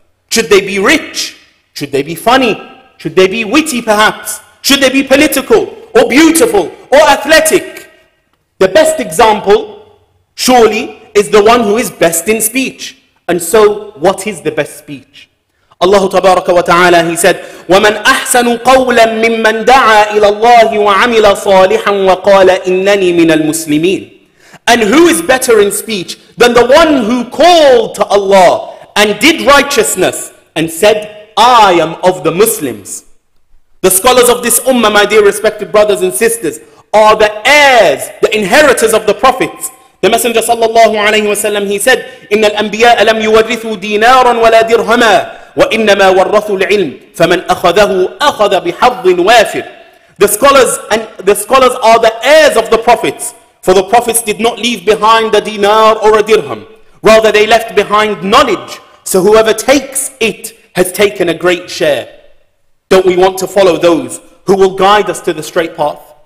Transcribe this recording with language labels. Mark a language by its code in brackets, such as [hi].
[en] Should they be rich? Should they be funny? Should they be witty perhaps? Should they be political or beautiful or athletic? The best example, surely, is the one who is best in speech. And so, what is the best speech? [ar] Allah tabaraka wa ta'ala, [en] he said, [ar] وَمَنْ أَحْسَنُ قَوْلًا مِّمَّنْ دَعَى إِلَى اللَّهِ وَعَمِلَ صَالِحًا وَقَالَ إِنَّنِي مِنَ الْمُسْلِمِينَ. [en] And who is better in speech than the one who called to Allah and did righteousness and said, I am of the Muslims. The scholars of this ummah, my dear respected brothers and sisters, are the heirs, the inheritors of the prophets. [ar] The Messenger sallallahu alayhi wa sallam, [en] he said, [ar] إِنَّ الْأَنْبِيَاءَ لَمْ يُوَرِّثُوا دِينَارًا وَلَا دِرْهَمًا وَإِنَّمَا وَرَّثُوا الْعِلْمِ فَمَنْ أَخَذَهُ أَخَذَ بِحَظٍ وَافِرٍ. [en] The scholars are the heirs of the prophets. For the prophets did not leave behind a dinar or a dirham. Rather, they left behind knowledge. So whoever takes it has taken a great share. Don't we want to follow those who will guide us to the straight path?